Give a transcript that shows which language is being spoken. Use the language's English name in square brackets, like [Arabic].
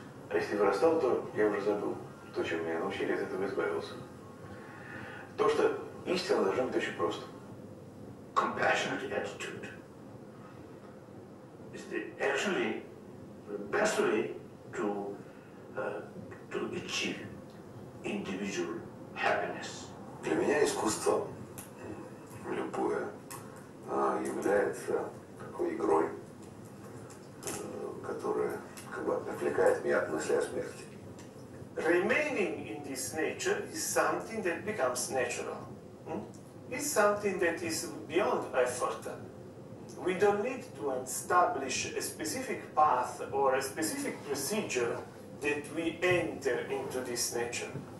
[Russian] А если вырастал, то я уже забыл. То, чем меня научили, от этого избавился. То, что истина должна быть очень просто. [English] Compassionate attitude. Is the actually the best way to achieve individual happiness. [Russian] Для меня искусство любое является такой игрой, которая как бы отвлекает меня от мысли о смерти. [English] Remaining in this nature is something that becomes natural. It's something that is beyond effort. We don't need to establish a specific path or a specific procedure that we enter into this nature.